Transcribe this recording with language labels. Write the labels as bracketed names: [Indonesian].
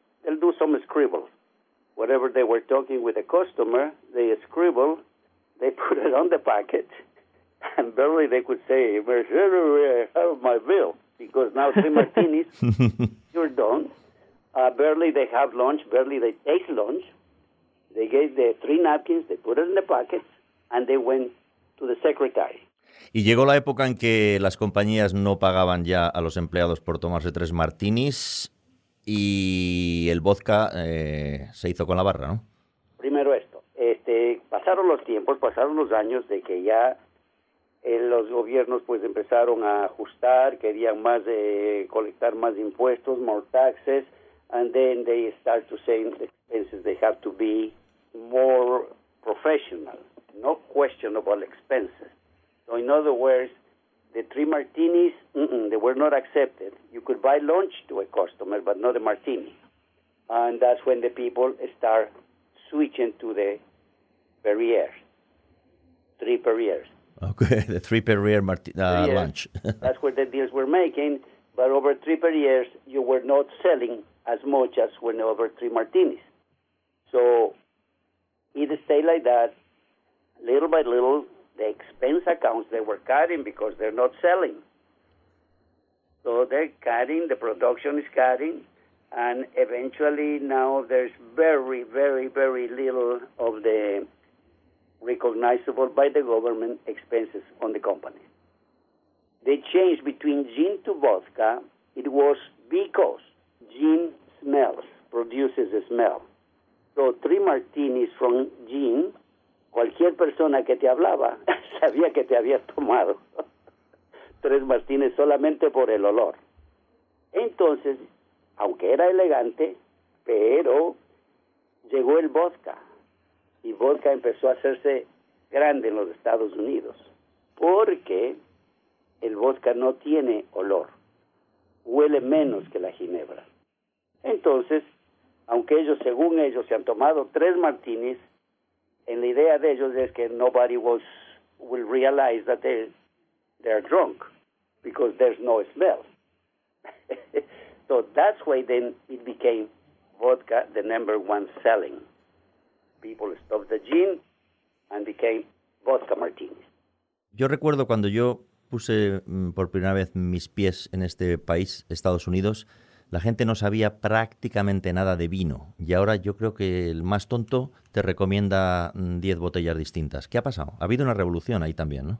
[English] They'll do some scribble. Whatever they were talking with the customer, they scribble, they put it on the packet, and barely they could say, I have my bill, because now three martinis, you're done. Barely they have lunch, barely they take lunch. They gave the three napkins, they put it in the pockets, and they went to the secretary. [Spanish] Y llegó la época en que las compañías no pagaban ya a los empleados por tomarse tres martinis, y el vodka se hizo con la barra, ¿no? Primero esto. pasaron los tiempos, pasaron los años de que ya los gobiernos pues empezaron a ajustar, querían más colectar más impuestos, [English] more taxes, and then they start to say expenses they have to be more professional, no questionable expenses. So in other words, the three martinis, they were not accepted. You could buy lunch to a customer, but not a martini. And that's when the people start switching to the Perrier, three Perriers. Okay, the three Perrier lunch. That's where the deals were making, but over three Perriers, you were not selling as much as when over three martinis. So it stayed like that. Little by little, the expense accounts, they were cutting because they're not selling. So they're cutting, the production is cutting, and eventually now there's very, very, very little of the recognizable by the government expenses on the company. The change between gin to vodka, it was because gin smells, produces a smell. So three martinis from gin, [Spanish] cualquier persona que te hablaba sabía que te habías tomado tres martinis solamente por el olor. Entonces, aunque era elegante, pero llegó el vodka. Y vodka empezó a hacerse grande en los Estados Unidos porque el vodka no tiene olor, huele menos que la ginebra. Entonces, aunque ellos, según ellos, se han tomado tres martinis, en la idea de ellos es que [English] nobody will realize that they're drunk because there's no smell. So that's why then it became vodka, the number one selling. People stopped the gin and became vodka martinis. [Spanish] Yo recuerdo cuando yo puse por primera vez mis pies en este país, Estados Unidos, la gente no sabía prácticamente nada de vino. Y ahora yo creo que el más tonto te recomienda 10 botellas distintas. ¿Qué ha pasado? Ha habido una revolución ahí también, ¿no?